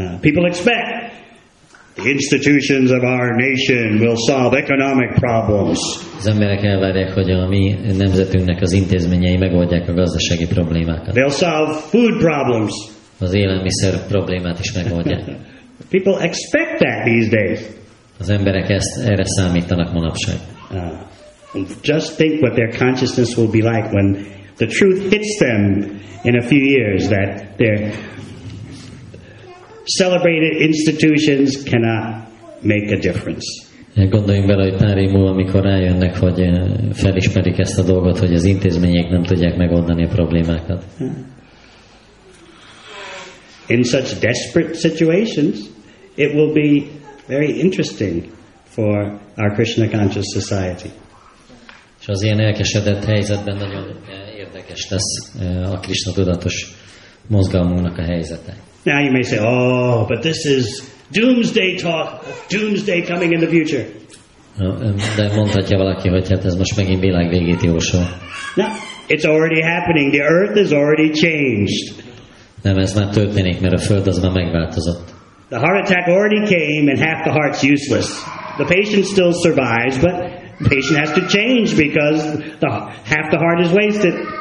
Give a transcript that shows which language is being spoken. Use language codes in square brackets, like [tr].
[en] People expect the institutions of our nation will solve economic problems. [hu] Az emberek elvárják, hogy a mi nemzetünknek az intézményei megoldják a gazdasági problémákat. [en] They'll solve food problems. [hu] Az élelmiszer problémát is megoldják. [en] People expect that these days. [hu] Az emberek ezt erre számítanak manapság. [en] Just think what their consciousness will be like when the truth hits them in a few years that their celebrated institutions cannot make a difference. [hu] Gondoljunk bele, hogy pár év múlva, amikor rájönnek, hogy felismerik ezt a dolgot, hogy az intézmények nem tudják megoldani a problémákat. [en] In such desperate situations, it will be very interesting for our Krishna conscious society. [hu] És az ilyen elkeseredett helyzetben nagyon érdekes lesz a Krishna tudatos mozgalmunknak a helyzete. [en] Now you may say, oh, but this is doomsday talk, doomsday coming in the future. [hu] De mondhatja valaki, hogy hát ez most megint világ végét jósol. [en] No, it's already happening. The earth has already changed. [hu] Nem, ez már történik, mert a Föld az már megváltozott. [en] The heart attack already came and half the heart's useless. The patient still survives, but the patient has to change because the half the heart is wasted.